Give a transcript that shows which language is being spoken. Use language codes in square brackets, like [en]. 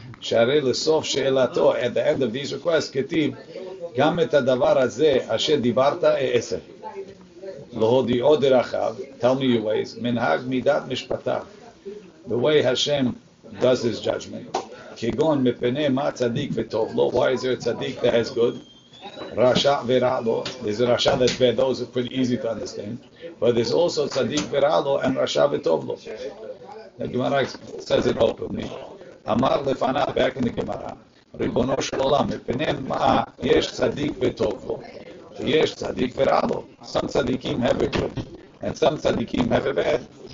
[he] Sharei lesof she'elato, [en] at the end of these requests, [he] ketiv, גם את הדבר הזה אשר דיברת אעשה. להודיע עוד רחב, [en] tell me your ways, [he] מנהג מידת משפטיו. [en] The way Hashem does his judgment. [he] כגון מפני מה צדיק וטוב לו, [en] why is there a צדיק that has good? [he] רשע ורע לו, [en] there's a רשע that's bad, those are pretty easy to understand. But there's also [he] צדיק ורע לו [en] and [he] רשע וטוב לו. [en] The Gemara says it openly. [he] אמר לפניו, [en] back in the Gemara, [he] ריבונו של עולם, מפני מה יש צדיק וטוב לו, יש צדיק ורע לו. [en] Some צדיקים have a good, and some צדיקים have a bad.